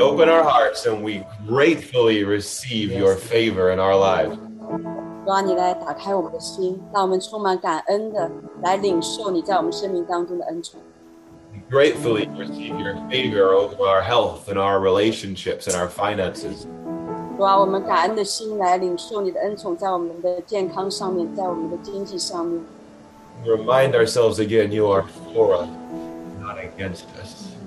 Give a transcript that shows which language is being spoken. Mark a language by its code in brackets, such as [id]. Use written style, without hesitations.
[en] open our hearts and we gratefully receive your favor in our lives. [zh] 主啊，你来打开我们的心，让我们充满感恩的来领受你在我们生命当中的恩宠。 [en] Gratefully receive your favor over our health and our relationships and our finances. [zh] 主啊，我们感恩的心来领受你的恩宠在我们的健康上面，在我们的经济上面。 [en] Remind ourselves again, you are for us, not against us.